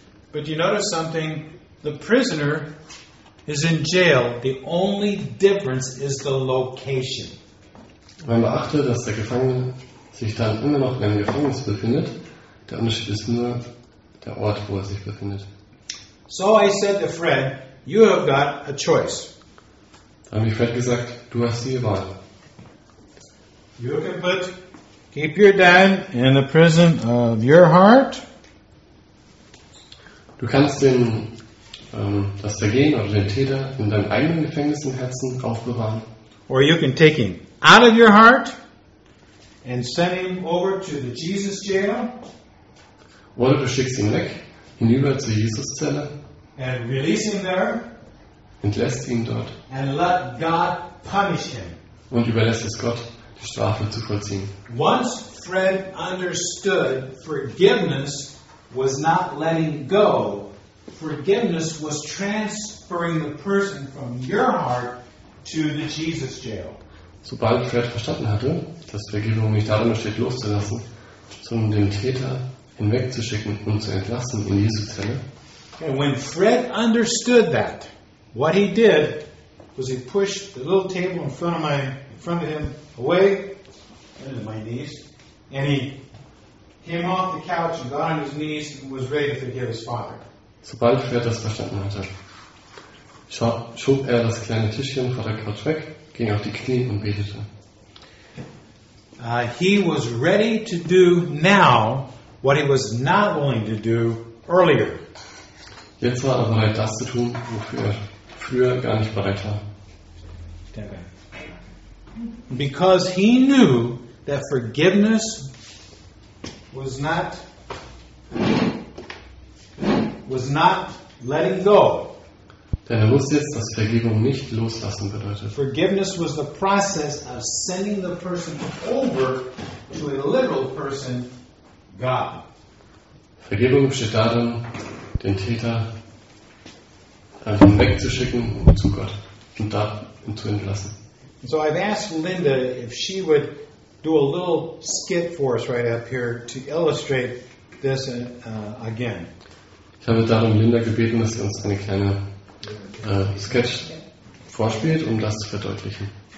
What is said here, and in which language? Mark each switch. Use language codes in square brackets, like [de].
[en] But you notice something, the prisoner is in jail. The only difference is the location. [de] Man beachte, dass der Gefangene sich dann immer noch in einem Gefängnis befindet. Der Unterschied ist nur der Ort, wo er sich befindet. [en] So I said to Fred, you have got a choice. [de] Da habe ich Fred gesagt, du hast die Wahl. [en] You can put, keep your dad in the prison of your heart. [de] Du kannst den, das Vergehen oder den Täter in deinem eigenen Gefängnis im Herzen aufbewahren. [en] Or you can take him out of your heart and send him over to the Jesus jail. [de] Oder du schickst ihn weg, hinüber zur Jesus-Zelle. [en] And release him there. [de] Entlässt ihn dort. [en] And let God punish him. [de] Und überlässt es Gott, die Strafe zu vollziehen. [en] Once Fred understood forgiveness was not letting go, forgiveness was transferring the person from your heart to the Jesus jail. [de] Sobald Fred verstanden hatte, dass Vergebung nicht darin besteht, loszulassen, sondern den Täter hinwegzuschicken und zu entlassen in Jesu Zelle. [en] And when Fred understood that, what he did was he pushed the little table in front of him away, into my knees, and he came off the couch and got on his knees and was ready to forgive his father. [de] Sobald Fred das verstanden hatte, schob er das kleine Tischchen vor der Couch weg, ging auf die Knie und betete. [en] He was ready to do now what he was not willing to do earlier. [de] Jetzt war er bereit, das zu tun, wofür er früher gar nicht bereit war. [en] Because he knew that forgiveness was not letting go. [de] Denn er wusste jetzt, dass Vergebung nicht loslassen bedeutet. [en] Forgiveness was the process of sending the person over to a literal person, God. [de] Vergebung besteht darin, den Täter wegzuschicken zu Gott und da ihn zu entlassen. [en] So I've asked Linda if she would do a little skit for us right up here to illustrate this again. [de] Ich habe darum Linda gebeten, dass sie uns eine kleine Sketch vorspielt, um das zu verdeutlichen.